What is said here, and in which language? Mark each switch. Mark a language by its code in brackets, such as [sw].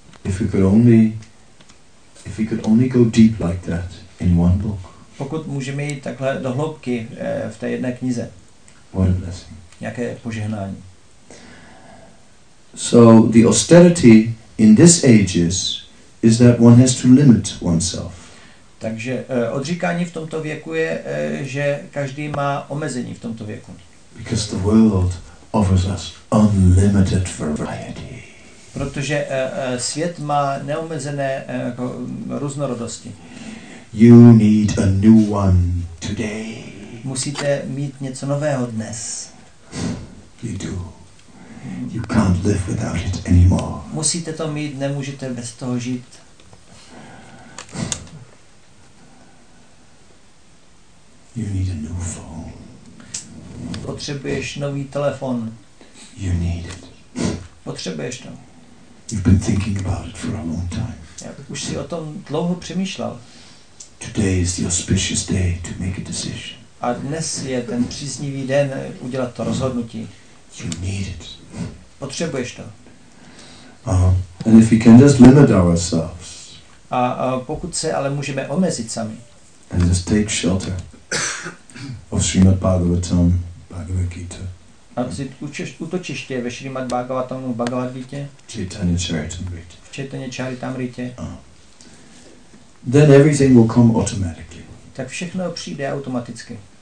[en] If we could only go deep like that in one book. [cs] Pokud můžeme jít takhle do hloubky v té jedné knize. [en] What a blessing. [cs] Jaké požehnání. [en] So the austerity in this ages is that one has to limit oneself. [cs] Takže odříkání v tomto věku je, že každý má omezení v tomto věku. [en] Because the world offers us unlimited variety. [cs] Protože svět má neomezené různorodosti. [en] You need a new one today. [cs] Musíte mít něco nového dnes. [en] You do. You can't live without it anymore. [cs] Musíte to mít, nemůžete bez toho žít. [en] You need a new phone. [cs] Potřebuješ nový telefon. [en] You need it. [cs] Potřebuješ to. [en] You've been thinking about it for a long time. [cs] Už jsi o tom dlouho přemýšlel. [en] Today is the auspicious day to make a decision. [cs] A dnes je ten příznivý den udělat to rozhodnutí. [en] You need it. [cs] Potřebuješ to. [en] And if we can just limit ourselves. [cs] A pokud se ale můžeme omezit sami. [en] And just take shelter of Srimad Bhagavatam, Bhagavad Gita. [cs] A vzít útočiště ve Srimad Bhagavatamu, Bhagavad Gita. [en] Chaitanya Charitamrita. [cs] V Chaitanya Charitamrita. [en] Then everything will come automatically. [cs] Tak všechno přijde automaticky.